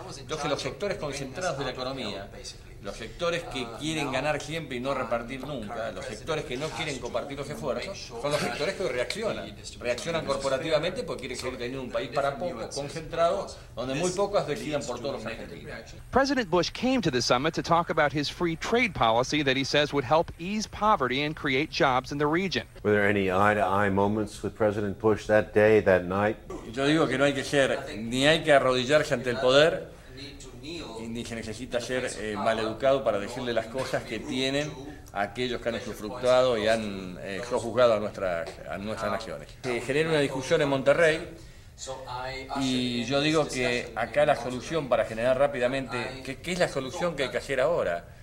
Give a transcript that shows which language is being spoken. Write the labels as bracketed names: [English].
[Spanish] Entonces los sectores concentrados de la economía, los sectores que quieren ganar siempre y no repartir nunca, los sectores que no quieren compartir los esfuerzos, son los sectores que hoy reaccionan. Reaccionan corporativamente porque quieren seguir teniendo un país para pocos, concentrado, donde muy pocos decidan por todos los argentinos. [English] President Bush came to the summit to talk about his free trade policy that he says would help ease poverty and create jobs in the region. Were there any eye-to-eye moments with President Bush that day, that night? [Spanish] Yo digo que no hay que ser, ni hay que arrodillarse ante el poder, y ni se necesita ser maleducado para decirle las cosas que tienen aquellos que han usufructuado y han sojuzgado a nuestras naciones. Se genera una discusión en Monterrey y yo digo que acá la solución para generar rápidamente, ¿qué es la solución que hay que hacer ahora?